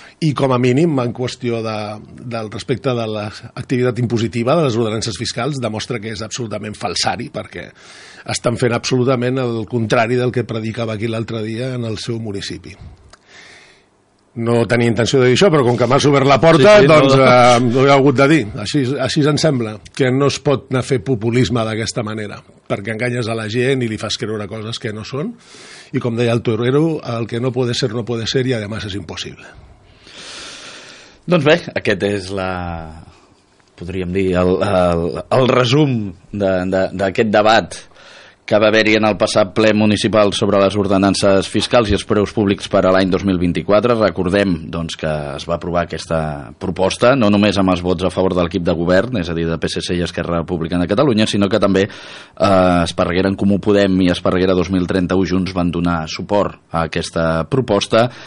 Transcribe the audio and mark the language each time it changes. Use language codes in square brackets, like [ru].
[ca] I, com a mínim, en qüestió del respecte de l'activitat impositiva de les ordenances fiscals, demostra que és absolutament falsari, perquè estan fent absolutament el contrari del que predicava aquí l'altre dia en el seu municipi. No tenia intenció de dir això, però com que m'has obert la porta, sí, doncs no ho he hagut de dir. Així ens sembla, que no es pot anar a fer populisme d'aquesta manera, perquè enganyes a la gent i li fas creure coses que no són. I com deia el Torero, [es] el que no puede ser, [ca] no puede ser, i además és impossible. Doncs bé, aquest és podríem dir, el resum d'aquest debat que va haver-hi en el passat ple municipal sobre les ordenances fiscals i els preus públics per a l'any 2024. Recordem, doncs, que es va aprovar aquesta proposta, no només amb els vots a favor de l'equip de govern, és a dir, de PSC i Esquerra Republicana de Catalunya, sinó que també Esparreguera en Comú Podem i Esparreguera 2031 junts van donar suport a aquesta proposta.